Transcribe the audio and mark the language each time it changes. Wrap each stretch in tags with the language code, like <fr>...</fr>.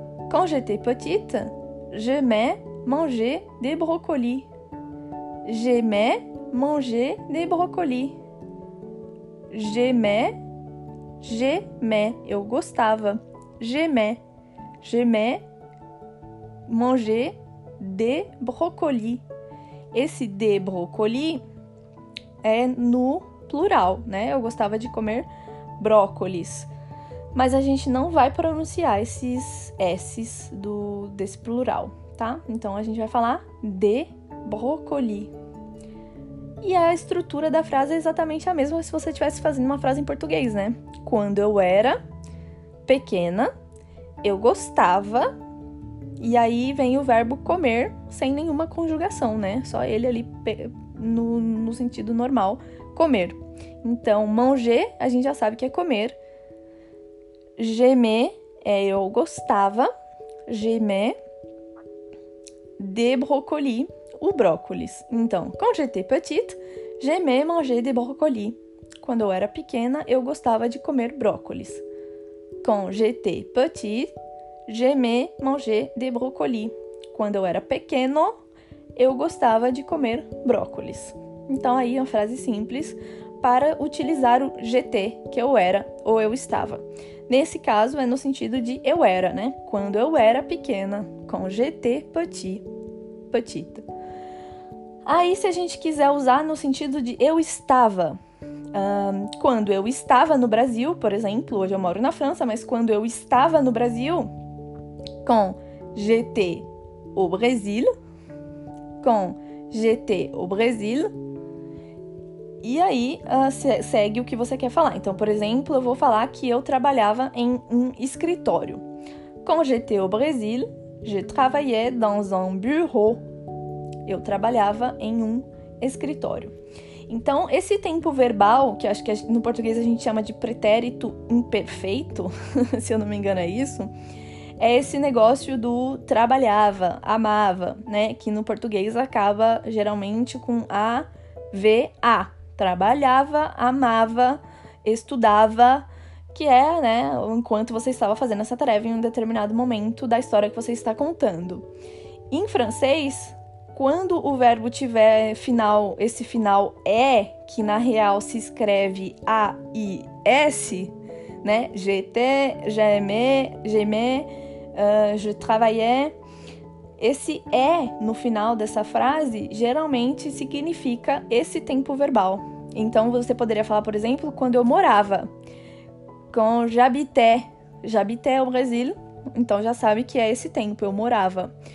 <fr>Quand j'étais petite, j'aimais manger des brocolis, j'aimais manger des brocolis. J'aimais,</fr> <pt>eu gostava.</pt> <fr>J'aimais manger des brocolis.</fr> <pt>Esse de brocoli é no plural, né? Eu gostava de comer brócolis. Mas a gente não vai pronunciar esses S's desse plural, tá? Então a gente vai falar de brocoli. E a estrutura da frase é exatamente a mesma se você estivesse fazendo uma frase em português, né? Quando eu era pequena, eu gostava. E aí vem o verbo comer sem nenhuma conjugação, né? Só ele ali no sentido normal, comer. Então, manger, a gente já sabe que é comer. J'aimais é eu gostava.</pt> <fr>J'aimais de brocoli,</fr> <pt>o brócolis.</pt> <fr>Então, quand j'étais petite, j'aimais manger de brocoli.</fr> <pt>Quando eu era pequena, eu gostava de comer brócolis.</pt> <fr>Quand j'étais petite, j'aimais manger de brocoli.</fr> <pt>Quando eu era pequeno, eu gostava de comer brócolis. Então, aí é uma frase simples para utilizar o GT, que eu era ou eu estava. Nesse caso, é no sentido de eu era, né? Quando eu era pequena, com GT petit, petite. Aí, se a gente quiser usar no sentido de eu estava. Quando eu estava no Brasil, por exemplo, hoje eu moro na França, mas quando eu estava no Brasil, com GT au Brésil, com GT au Brésil. E aí, segue o que você quer falar. Então, por exemplo, eu vou falar que eu trabalhava em um escritório.</pt> <fr>Quand j'étais au Brésil, je travaillais dans un bureau.</fr> <pt>Eu trabalhava em um escritório. Então, esse tempo verbal, que acho que no português a gente chama de pretérito imperfeito, se eu não me engano é isso, é esse negócio do trabalhava, amava, né? Que no português acaba geralmente com a, v, a. Trabalhava, amava, estudava, que é, né, enquanto você estava fazendo essa tarefa em um determinado momento da história que você está contando. Em francês, quando o verbo tiver final, esse final é, que na real se escreve A-I-S, né?</pt> <fr>J'étais, j'aimais, je travaillais.</fr> <pt>Esse é no final dessa frase geralmente significa esse tempo verbal. Então você poderia falar, por exemplo, quando eu morava. Com j'habitais.</pt> <fr>J'habitais au Brésil.</fr> <pt>Então já sabe que é esse tempo, eu morava.</pt>